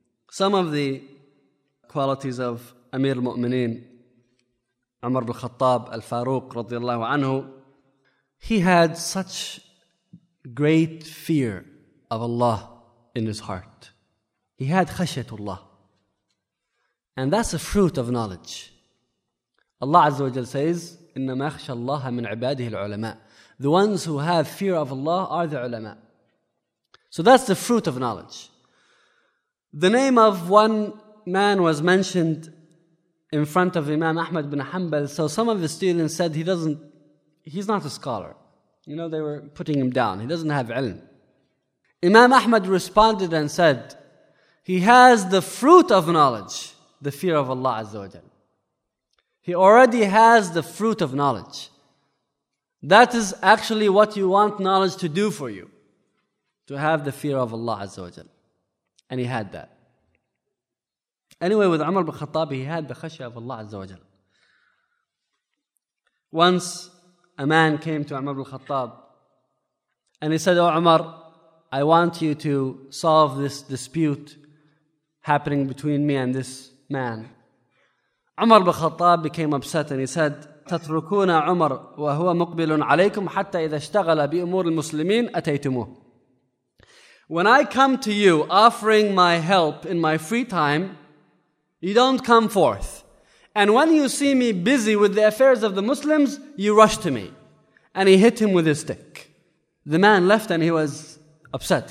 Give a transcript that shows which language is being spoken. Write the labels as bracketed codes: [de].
[en] Some of the qualities of Amir al-Mu'minin, Umar bin Khattab al-Faruq radiallahu anhu, he had such great fear of Allah in his heart. He had khashyatullah. And that's a fruit of knowledge. Allah Azza wa Jal says, [ar] إِنَّمَا أَخْشَى اللَّهَ مِنْ عِبَادِهِ الْعُلَمَاءِ. [en] The ones who have fear of Allah are the ulama. So that's the fruit of knowledge. The name of one man was mentioned in front of Imam Ahmad bin Hanbal. So some of the students said he's not a scholar. You know, they were putting him down. He doesn't have ilm. Imam Ahmad responded and said, he has the fruit of knowledge, the fear of Allah Azza wa Jal. He already has the fruit of knowledge. That is actually what you want knowledge to do for you, to have the fear of Allah Azza wa Jal. And he had that. Anyway, with Umar bin Khattab, he had the khashya of Allah Azza wa Jal. Once a man came to Umar bin Khattab and he said, oh Umar, I want you to solve this dispute happening between me and this man. Umar bin Khattab became upset and he said, [ar] تتركون عمر وهو مقبل عليكم حتى إذا اشتغل بأمور المسلمين أتيتموه. [en] When I come to you offering my help in my free time, you don't come forth. And when you see me busy with the affairs of the Muslims, you rush to me. And he hit him with his stick. The man left and he was upset.